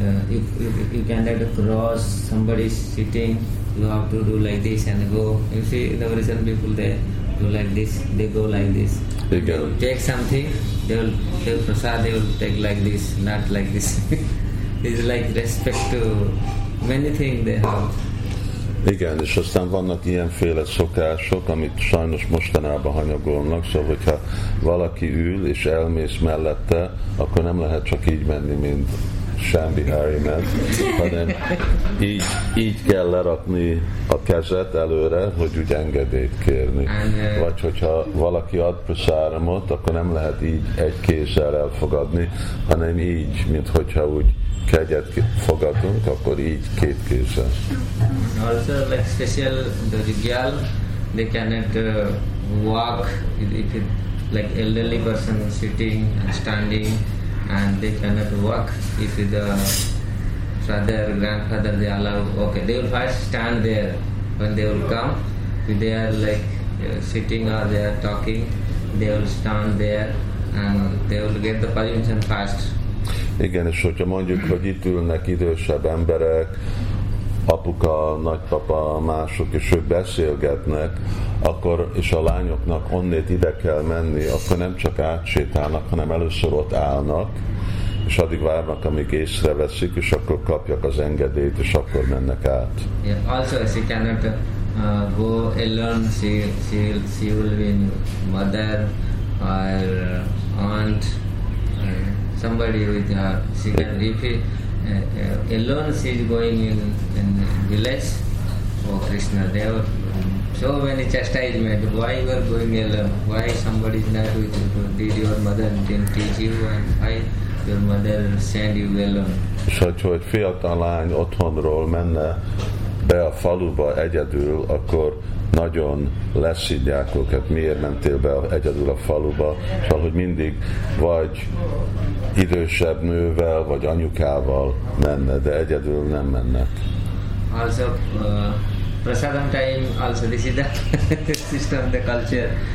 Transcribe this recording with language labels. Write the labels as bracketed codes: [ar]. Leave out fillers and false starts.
[en] If you can get across somebody sitting, you have to do like this and go. You see the Russian people, they do like this, they go like this. Again. They take something, they will prasad, they will take like this, not like this. It's like respect to many things they have. [hu] Igen, és aztán vannak ilyenféle szokások, amit sajnos mostanában hanyagolnak, szóval, hogyha valaki ül és elmész mellette, akkor nem lehet csak így menni, mint Shambi Hari ment, hanem így kell lerakni a kezet előre, hogy úgy engedélyt kérni. Vagy hogyha valaki ad prasáramot, akkor nem lehet így egy kézzel elfogadni, hanem így, mint hogyha úgy kegyet fogadunk, akkor így két kézzel. [en] Also, like special the rigyal, they cannot walk. If it, like elderly person sitting and standing, and they cannot walk. If the father, grandfather, they allow, okay, they will first stand there. When they will come, if they are like sitting or they are talking, they will stand there and they will get the permission first. [hu] Igen, és hogyha mondjuk, hogy itt ülnek idősebb emberek, apuka, nagypapa, mások, és ők beszélgetnek, akkor, és a lányoknak onnét ide kell menni, akkor nem csak átsétálnak, hanem először ott állnak, és addig várnak, amíg észreveszik, és akkor kapják az engedélyt, és akkor mennek át. [en] Yeah, also, she cannot go alone, she will be mother, or aunt, somebody with her, she can leave it. Alone she is going in village, oh Krishna, there were so many chastisement, why you are going alone, why somebody is not with you, did your mother didn't teach you, and why your mother send you alone. [hu] És hogyha egy fiatal lány otthonról menne be a faluba egyedül, akkor nagyon leszidják őket, miért mentél be egyedül a faluba, szóval, hogy mindig vagy idősebb nővel, vagy anyukával menne, de egyedül nem mennek. [en] Also, prasadam time, also this is the system, the culture.